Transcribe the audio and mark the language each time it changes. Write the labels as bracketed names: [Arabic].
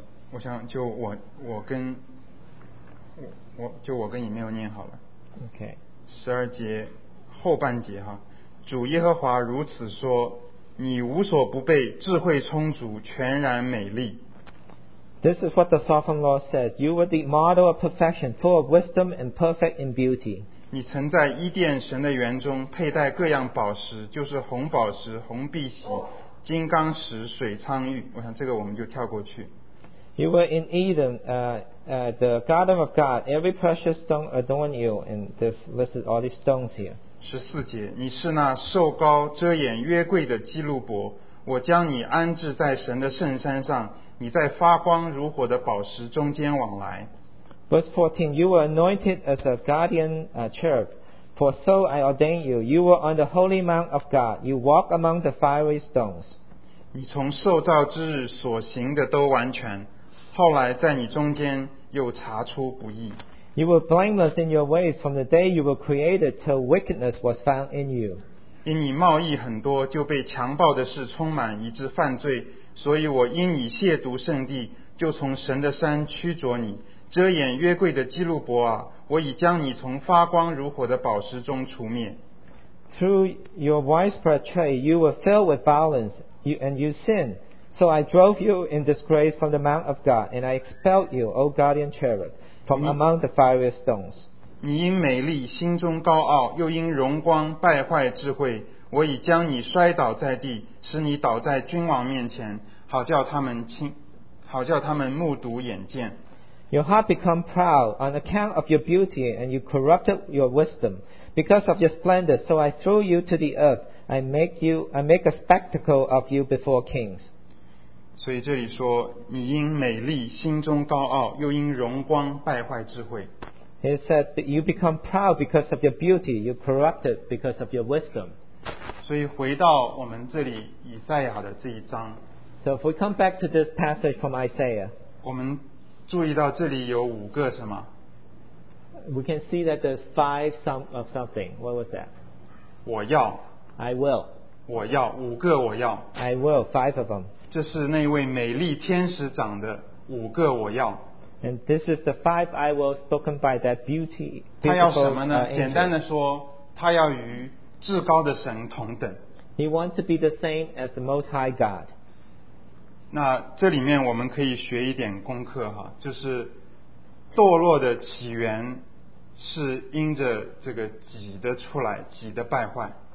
[Chinese] 我想就我跟我就我跟你没有念好了 [English] OK [Chinese] 十二节后半节哈，主耶和华如此说，你无所不备，智慧充足，全然美丽。 [English] This is what the Sovereign Lord says. You were the model of perfection, full of wisdom and perfect in beauty. [Chinese] 你曾在伊甸神的园中佩戴各样宝石，就是红宝石、红碧玺、金刚石、水苍玉。我想这个我们就跳过去。 [English] You were in Eden, the garden of God. Every precious stone adorned you, and this listed all these stones here. [Chinese] 十四节，你是那瘦高遮掩约柜的基路伯，我将你安置在神的圣山上，你在发光如火的宝石中间往来。 [English] Verse 14, you were anointed as a guardian cherub, for so I ordained you. You were on the holy mount of God. You walk among the fiery stones. [Chinese] 你从受造之日所行的都完全，后来在你中间又查出不义。 [English] You were blameless in your ways from the day you were created till wickedness was found in you. [Chinese] 因你贸易很多，就被强暴的事充满，以致犯罪，所以我因你亵渎圣地，就从神的山驱逐你。遮掩约柜的基路伯啊，我已将你从发光如火的宝石中除灭。 [English] Through your widespread trade, you were filled with violence, and you sinned. So I drove you in disgrace from the mount of God, and I expelled you, O guardian cherub, from among the fiery stones. [Chinese] 你因美丽心中高傲，又因荣光败坏智慧，我已将你摔倒在地，使你倒在君王面前，好叫他们目睹眼见。 [English] Your heart become proud on account of your beauty, and you corrupted your wisdom because of your splendor. So I threw you to the earth. I make a spectacle of you before kings. [Chinese] 所以这里说，你因美丽心中高傲，又因荣光败坏智慧。 [English] He said that you become proud because of your beauty. You corrupted because of your wisdom. [Chinese] 所以回到我们这里以赛亚的这一章。 [English] So if we come back to this passage from Isaiah, [Chinese] 我们注意到这里有五个什么 [English] ？We can see that there's five some of something. What was that? [Chinese] 我要。 [English] I will. [Chinese] 我要五个我要。 [English] I will five of them. [Chinese] 这是那位美丽天使长的五个我要。 [English] And this is the five I will spoken by that beauty. [Chinese] 他要什么呢？简单的说，他要与至高的神同等。 [English] He wants to be the same as the Most High God. [Chinese] 那这里面我们可以学一点功课哈，就是堕落的起源是因着这个己的出来，己的败坏。